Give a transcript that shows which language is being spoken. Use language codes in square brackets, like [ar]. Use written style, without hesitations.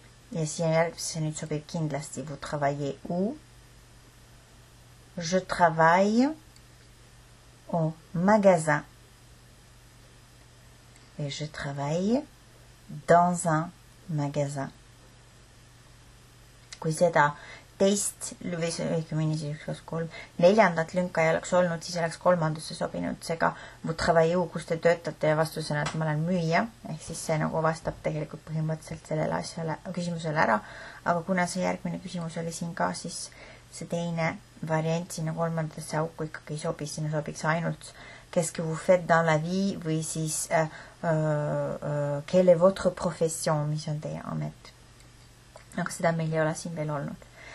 [et] Ja siin jälp, see nüüd sobib kindlasti. [fr] Vous travaillez où? Je travaille au magasin. Et je travaille dans un magasin. [et] Kui seda teist lüvis, õigemini siis üks kolm, neljandat lünka ei oleks olnud, siis oleks kolmandusse sobinud. Seega, [fr] vous travaillez où, [et] kus te töötate ja vastusena, et ma olen müüja. Ehk siis see nagu vastab tegelikult põhimõtteliselt sellele asjale küsimusele ära. Aga kuna see järgmine küsimus oli siin ka, siis see teine variant sinna kolmandasse auku ikkagi ei sobi. Sinna sobiks ainult [fr] qu'est-ce que vous faites dans la vie [et] või siis [fr] quelle est votre profession, [et] mis on teie amet. Aga seda meil ei ole siin veel olnud.